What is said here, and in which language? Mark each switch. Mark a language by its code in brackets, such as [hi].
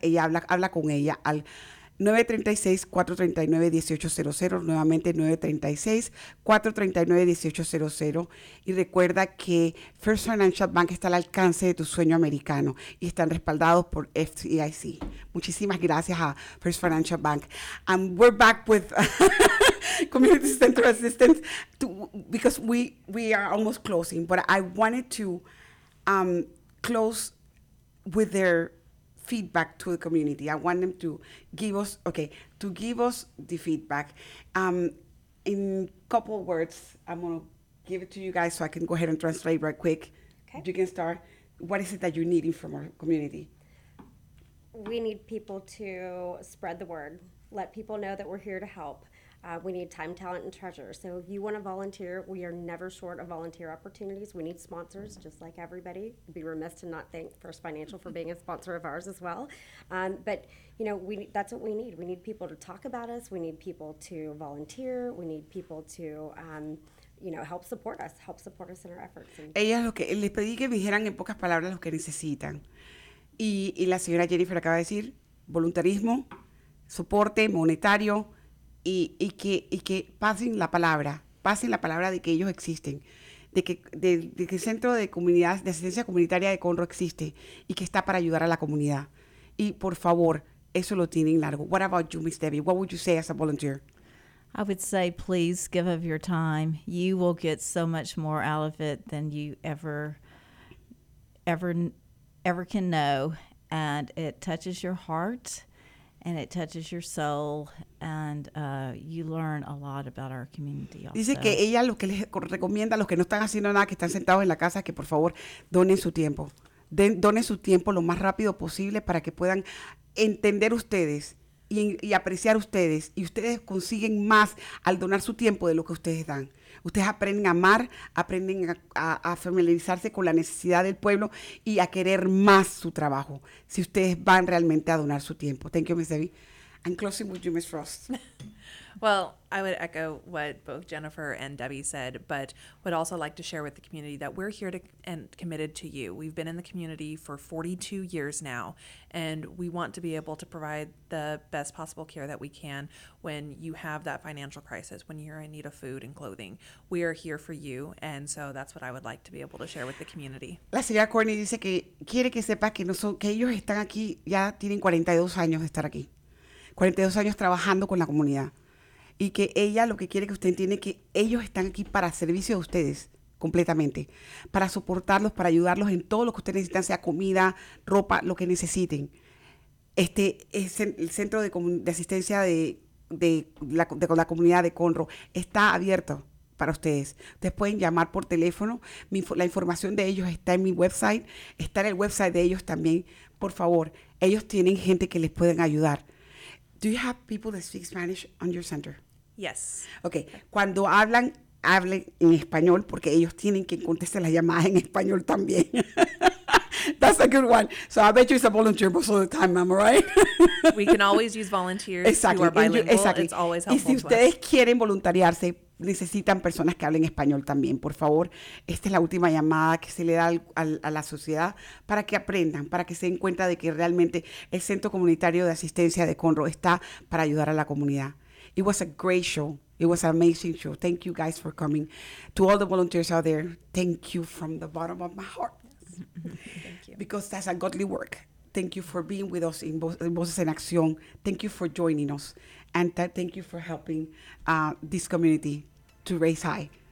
[es] Ella habla con ella al 936-439-1800, nuevamente 936-439-1800. Y recuerda que First Financial Bank está al alcance de tu sueño americano y están respaldados por FDIC. Muchísimas gracias a First Financial Bank. [en] And we're back with Community Center Assistance because we are almost closing, but I wanted to close with their feedback to the community. I want them to give us the feedback. In a couple of words, I'm going to give it to you guys so I can go ahead and translate right quick. Okay. You can start. What is it that you're needing from our community? We need people to spread the word. Let people know that we're here to help. We need time, talent, and treasure. So if you want to volunteer, we are never short of volunteer opportunities. We need sponsors, just like everybody. I'd be remiss to not thank First Financial for being a sponsor of ours as well. But, you know, that's what we need. We need people to talk about us. We need people to volunteer. We need people to, help support us in our efforts. [es] Ellas lo que les pedí que me dijeran en pocas palabras lo que necesitan. Y la señora Jennifer acaba de decir, voluntarismo, soporte monetario, y que pasen la palabra de que ellos existen, de que el Centro de Comunidades de Asistencia Comunitaria de Conroe existe y que está para ayudar a la comunidad. Y por favor, eso lo tienen largo. [en] What about you, Miss Debbie? What would you say as a volunteer? I would say, please give of your time. You will get so much more out of it than you ever can know. And it touches your heart. And it touches your soul, and you learn a lot about our community. Also. Dice que ella lo que les recomienda a los que no están haciendo nada, que están sentados en la casa, que por favor donen su tiempo. Donen su tiempo lo más rápido posible para que puedan entender ustedes y apreciar ustedes. Y ustedes consiguen más al donar su tiempo de lo que ustedes dan. Ustedes aprenden a amar, aprenden a familiarizarse con la necesidad del pueblo y a querer más su trabajo, si ustedes van realmente a donar su tiempo. Thank you, Ms. Debbie. I'm closing with you, Ms. Frost. Well, I would echo what both Jennifer and Debbie said, but would also like to share with the community that we're here to and committed to you. We've been in the community for 42 years now, and we want to be able to provide the best possible care that we can when you have that financial crisis, when you're in need of food and clothing. We are here for you, and so that's what I would like to be able to share with the community. [es] La señora Courtney dice que quiere que sepa que, que ellos están aquí, ya tienen 42 años de estar aquí, 42 años trabajando con la comunidad. Y que ella lo que quiere que usted entienda es que ellos están aquí para servicio de ustedes completamente, para soportarlos, para ayudarlos en todo lo que ustedes necesitan, sea comida, ropa, lo que necesiten. Este es el centro de asistencia de la comunidad de Conroe. Está abierto para ustedes. Ustedes pueden llamar por teléfono. La información de ellos está en mi website. Está en el website de ellos también. Por favor, ellos tienen gente que les pueden ayudar. [en] Do you have people that speak Spanish on your center? Yes. Okay. [es] Cuando hablan, hablen en español porque ellos tienen que contestar las llamadas en español también. [en] That's a good one. So I bet you it's a volunteer most of the time, Mama, right? We can always use volunteers exactly. who are bilingual. Exactly. It's always helpful. [es] Y si ustedes quieren voluntariarse, necesitan personas que hablen español también, por favor. Esta es la última llamada que se le da a la sociedad para que aprendan, para que se den cuenta de que realmente el Centro Comunitario de Asistencia de Conroe está para ayudar a la comunidad. [en] It was a great show. It was an amazing show. Thank you guys for coming. To all the volunteers out there, thank you from the bottom of my heart. Thank you. Because that's a godly work. Thank you for being with us in Voces en Acción. Thank you for joining us. And thank you for helping this community to raise high.